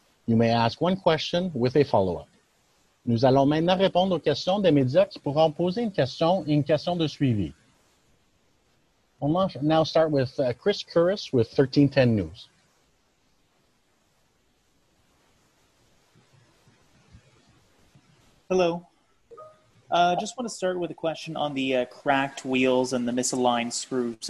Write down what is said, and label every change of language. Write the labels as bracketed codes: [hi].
[en] You may ask one question with a follow-up. [fr] Nous allons maintenant répondre aux questions des médias qui pourront poser une question et une question de suivi. [en] We'll now start with Chris Curris with 1310 News. Hello. I just want to start with a question on the cracked wheels and the misaligned screws.